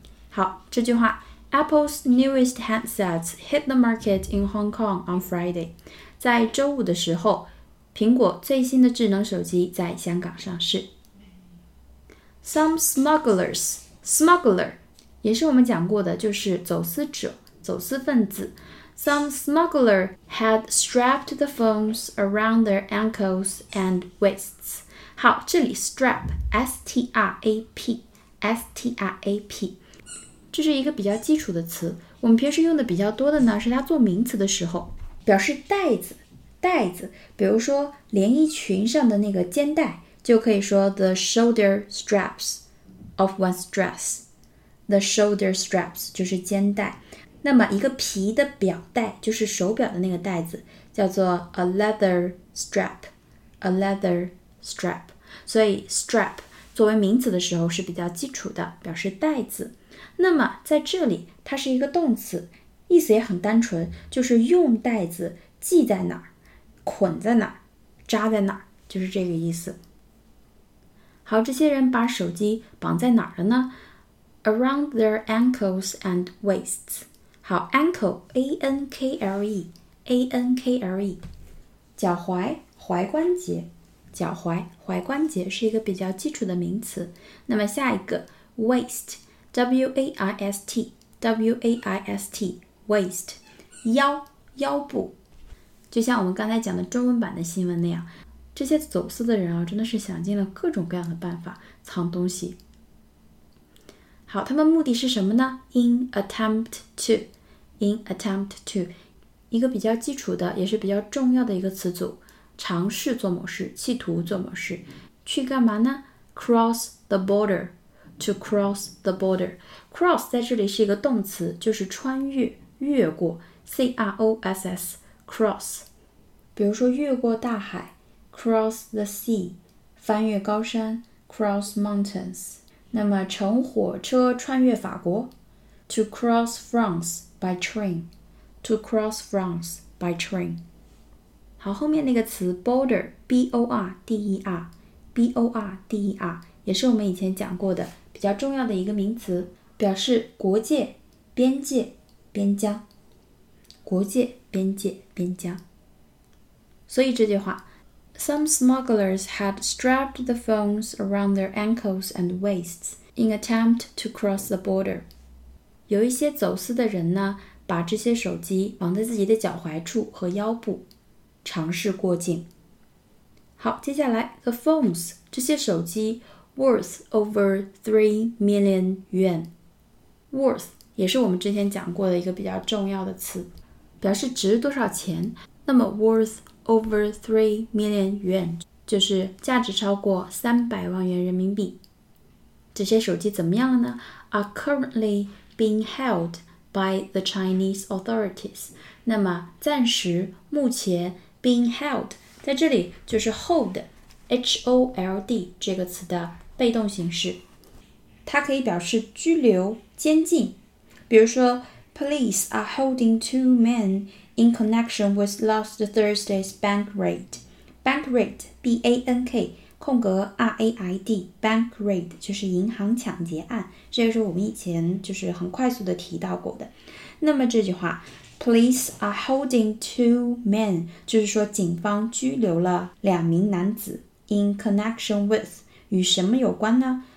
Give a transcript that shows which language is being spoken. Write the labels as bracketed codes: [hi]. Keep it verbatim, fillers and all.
[zh] 好，这句话 [en] Apple's newest handsets hit the market in Hong Kong on Friday， [zh] 在周五的时候，苹果最新的智能手机在香港上市。 Some smugglers smuggler 也是我们讲过的，就是走私者，走私分子。 [en] Some smuggler had strapped the phones around their ankles and waists。 [zh] 好，这里 strap S T R A P S T R A P 这是一个比较基础的词，我们平时用的比较多的呢是它做名词的时候，表示带子，带子，比如说连衣裙上的那个肩带就可以说 [en] the shoulder straps of one's dress。 The shoulder straps [zh] 就是肩带，那么一个皮的表带就是手表的那个带子叫做 [en] a leather strap a leather strap， [zh] 所以 strap 作为名词的时候是比较基础的，表示带子。那么在这里它是一个动词，意思也很单纯，就是用带子系在哪儿，捆在哪儿，扎在哪儿，就是这个意思。好，这些人把手机绑在哪儿了呢？ [en] Around their ankles and waists。 [zh] 好， ankle A N K L E A N K L E 脚踝，踝关节，脚踝，踝关节是一个比较基础的名词。那么下一个 waist W A I S T W A I S T waist 腰，腰部，就像我们刚才讲的中文版的新闻那样，这些走私的人啊，真的是想尽了各种各样的办法藏东西。好，他们目的是什么呢？ [en] In attempt to In attempt to [zh] 一个比较基础的也是比较重要的一个词组，尝试做某事，企图做某事，去干嘛呢？ [en] Cross the border To cross the border Cross [zh] 在这里是一个动词，就是穿越，越过 [en] C R O S S Cross， [zh] 比如说越过大海 [en] Cross the sea， [zh] 翻越高山 [en] Cross mountains。 [zh] 那么乘火车穿越法国 [en] To cross France by train To cross France by train。 [zh] 好，后面那个词 border B O R D E R B O R D E R 也是我们以前讲过的比较重要的一个名词，表示国界，边界，边疆，国界，边界，边疆。所以这句话 [en] Some smugglers had strapped the phones around their ankles and waists in attempt to cross the border。 [zh] 有一些走私的人呢，把这些手机绑在自己的脚踝处和腰部，尝试过境。好，接下来 the phones 这些手机 [en] worth over three million yuan [zh] worth 也是我们之前讲过的一个比较重要的词，表示值多少钱。那么 [en] worth over three million yuan [zh] 就是价值超过三百万元人民币。这些手机怎么样了呢？ [en] are currently being held by the Chinese authorities。 [zh] 那么暂时，目前 being held在这里就是 hold H O L D 这个词的被动形式，它可以表示拘留，监禁。 [en] 比如说 Police are holding two men in connection with last Thursday's bank raid Bank raid B A N K [zh] 空格 raid bank raid 就是银行抢劫案，这个是我们以前就是很快速的提到过的。那么这句话 [en] Police are holding two men [zh] 就是说警方拘留了两名男子 [en] in connection with [zh] 与什么有关呢？